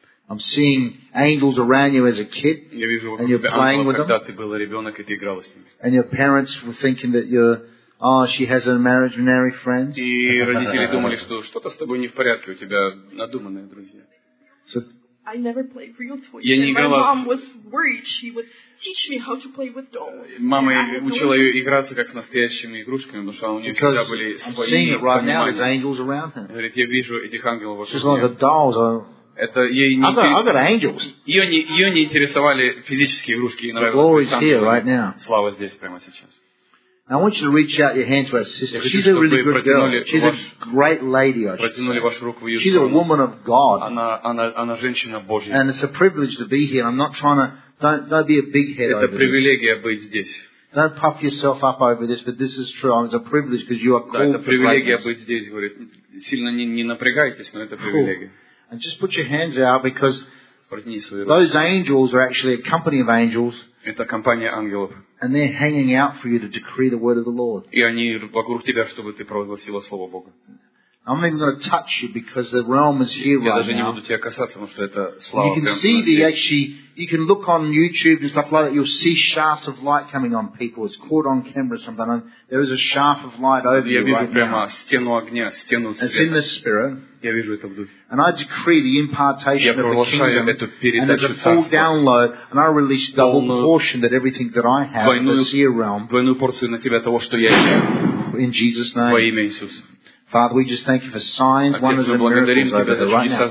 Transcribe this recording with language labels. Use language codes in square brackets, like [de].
[en] I'm seeing angels around you as a kid, and you're playing with them. And your parents were thinking that she has an imaginary friend. [ru] И родители думали, что что-то с тобой не в порядке, у тебя надуманные друзья. [en] So, I never played real toys. And my mom was worried she would teach me how to play with dolls. [ru] Мама учила ее играться как с настоящими игрушками, потому что у нее всегда были свои понимания. Говорит, я вижу этих ангелов вокруг. [en] She's like a doll. [ru] Это ей не ее не интересовали физические игрушки, ей нравилось [en] here, right now. [ru] Слава здесь прямо сейчас. [en] I want you to reach out your hand to our sister. She's a really good girl. She's a great lady. [ru] Протянули вашу руку в ее. [en] She's a woman of God. [ru] Она женщина Божья. [en] And it's a privilege to be here. I'm not trying to don't be a big head. [ru] Это привилегия быть здесь. [en] Don't puff yourself up over this, but this is true. It's a privilege because you are called. [ru] Это привилегия быть здесь, говорит. Сильно не напрягайтесь, но это привилегия. [en] And just put your hands out, because those angels are actually a company of angels. [ru] Это компания ангелов. [en] And they're hanging out for you to decree the word of the Lord. [ru] И они вокруг тебя, чтобы ты провозгласила слово Бога. [en] I'm not even going to touch you because the realm is here right now. [ru] Я даже не буду тебя касаться, потому что это слава. [en] You can see the actually, you can look on YouTube and stuff like that. You'll see shafts of light coming on people. It's caught on camera sometimes. There is a shaft of light over you right now. [ru] Я вижу прямо стену огня, стену света. [en] It's in the spirit. [ru] Я вижу это в духе. [en] And I decree the impartation of the kingdom. [ru] Я провозглашаю эту передачу царства. [en] And it's a full download. And I release double portion that everything that I have in this here realm. [ru] Двойную порцию на тебя того, что я имею. [en] In Jesus' name. [ru] Во имя Иисуса. [en] Father, we just thank you for signs, wonders, and miracles over there right now.